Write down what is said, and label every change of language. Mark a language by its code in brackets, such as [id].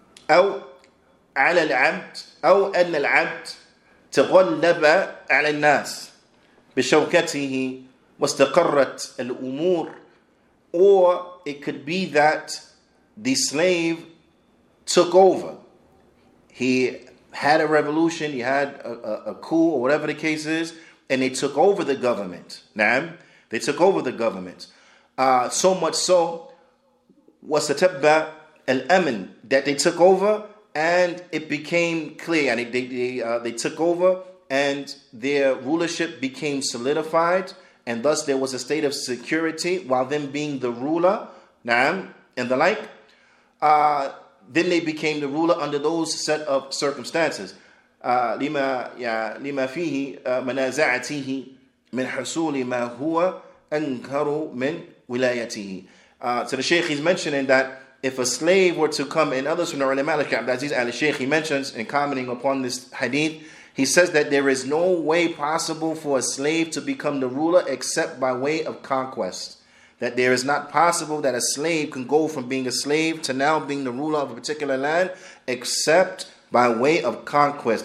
[ar] أو على العبد أو أن العبد تغلب على الناس بشوكته واستقرت الأمور. [en] Or it could be that the slave took over. He had a revolution, he had a coup or whatever the case is, and they took over the government. [ar] نعم. [en] They took over the government. So much so, [ar] واستتبع الأمن, [en] that they took over and it became clear. And they took over and their rulership became solidified, and thus there was a state of security while them being the ruler. نعم. And the like. Then they became the ruler under those set of circumstances. [ar] لما لما فيه منازعته من حصول ما هو أنكر من ولايته. [en] So the Sheikh is mentioning that if a slave were to come in, others from the ulama al-Abdaziz al-Sheikh, he mentions in commenting upon this hadith, he says that there is no way possible for a slave to become the ruler except by way of conquest. That there is not possible that a slave can go from being a slave to now being the ruler of a particular land except by way of conquest.